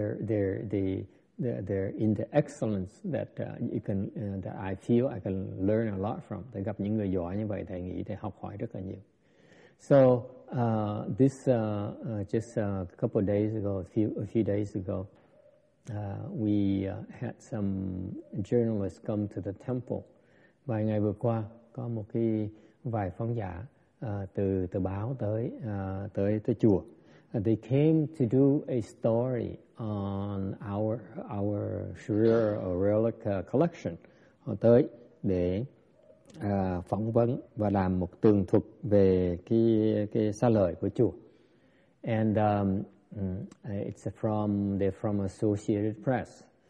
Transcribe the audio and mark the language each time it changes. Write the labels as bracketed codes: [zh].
[en] They're in the excellence that you can that I feel I can learn a lot from. They [vi] gặp những người giỏi như vậy, thầy nghĩ thầy học hỏi rất là nhiều. [en] So this just a couple of days ago, a few days ago, we had some journalists come to the temple. [vi] Vài ngày vừa qua có một cái vài phóng giả từ báo tới chùa. [en] They came to do a story on our shrine or relic collection. [vi] Họ tới để phỏng vấn và làm một tường thuật về cái xá lợi của chùa. [en] And it's from they're from Associated Press.